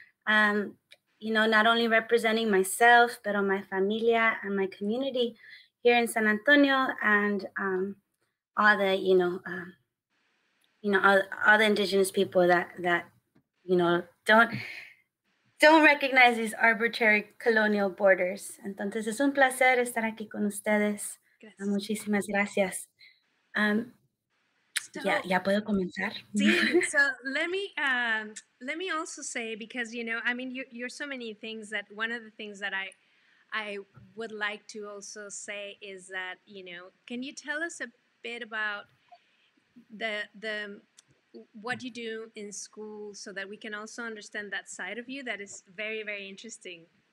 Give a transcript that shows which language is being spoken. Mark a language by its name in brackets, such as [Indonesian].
[English] You know, not only representing myself, but my familia and my community here in San Antonio, and all the indigenous people that don't recognize these arbitrary colonial borders. [Spanish] Entonces, es un placer estar aquí con ustedes. Gracias. Muchísimas gracias. Ya puedo comenzar. [English] Sí, so let me also say, because, you know, I mean, you're so many things, that one of the things that I would like to also say is that, you know, can you tell us a bit about the what you do in school, so that we can also understand that side of you that is very, very interesting?